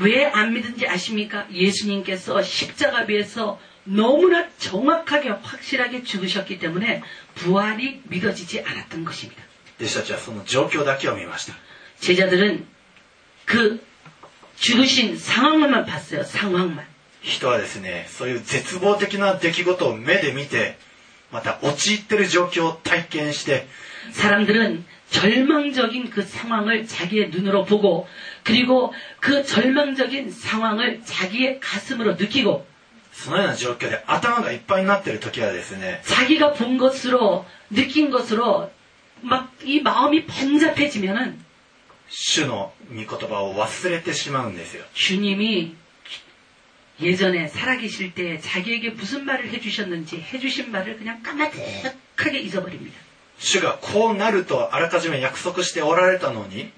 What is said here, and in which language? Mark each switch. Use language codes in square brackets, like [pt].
[ko] 왜안믿은지아십니까。 예수님께서십자가위에서너무나정확하게확실하게죽으셨기때문에부활이믿어지지않았던것입니다。 [ja] 弟子たちはその状況だけを見ました。 [ko] 제자들은그죽으신상황만봤어요。 상황만。 [ja] 人はですね、そういう絶望的な出来事を目で見て、また陥ってる状況を体験して、 [ko] 사람들은절망적인그상황을자기의눈으로보고그리고그절망적인상황을자기의가슴으로느끼고 [ja] そのような状況で頭がいっぱいになってる時はですね、 [ko] 자기가본것으로느낀것으로막이마음이번잡해지면은 [ja] 主の御言葉を忘れてしまうんですよ。 [ko] 주님이예전에살아계실때자기에게무슨말을해주셨는지해주신말을그냥까마득하게잊어버립니다。 [ja] 主がこうなるとあらかじめ約束しておられたのに、